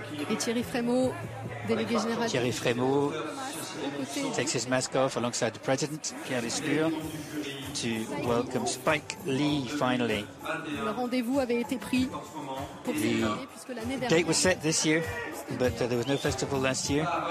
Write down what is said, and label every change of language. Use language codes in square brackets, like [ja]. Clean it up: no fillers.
[fr] Et Thierry Frémaux, délégué général. [en] Thierry Frémaux takes his mask off alongside the president, Pierre Lescure, to welcome Spike Lee finally. [fr] Le rendez-vous avait été pris pour cette année, puisque l'année dernière. [en] The date was set this year, but there was no festival last year.